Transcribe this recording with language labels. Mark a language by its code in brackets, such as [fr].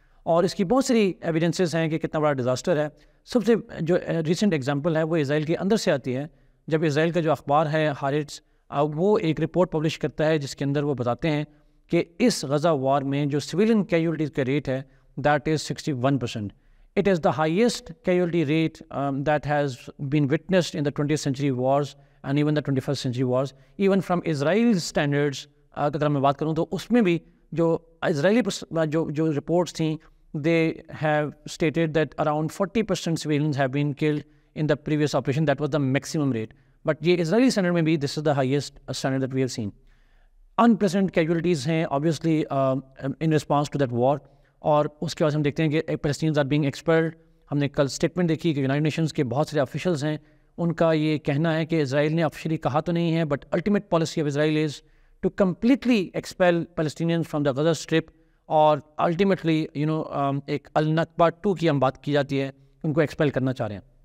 [hi] और इसकी बहुत सारी एविडेंसेस हैं कि कितना बड़ा डिज़ास्टर है. सबसे जो रिसेंट एग्जांपल है वो इज़राइल के अंदर से आती है, जब इज़राइल का जो अखबार है हारिट्स, वो एक रिपोर्ट पब्लिश करता है जिसके अंदर वो बताते हैं कि इस गज़ा वॉर में जो सिविलियन कैजुअल्टीज़ का रेट है, [en] That is 61%. It is the highest casualty rate that has been witnessed in the 20th century wars and even the 21st century wars. Even from Israel's standards, [hi] agar main baat karun to usme bhi jo Israeli jo reports thi, [en] they have stated that around 40% civilians have been killed in the previous operation. That was the maximum rate, but [hi] ye Israeli standard mein bhi [en] this is the highest standard that we have seen. Unprecedented casualties hain obviously in response to that war. [hi] और उसके बाद हम देखते हैं कि [en] Palestinians are being expelled. [hi] हमने कल statement देखी कि यूनाइटेड नेशंस के बहुत सारे ऑफिशियल्स हैं, उनका ये कहना है कि इसराइल ने ऑफिशियली कहा तो नहीं है, [en] But ultimate policy of Israel is to completely expel Palestinians from the Gaza strip. [hi] और अल्टीमेटली यू नो एक अल नकबा 2 की हम बात की जाती है, उनको एक्सपेल करना चाह रहे हैं.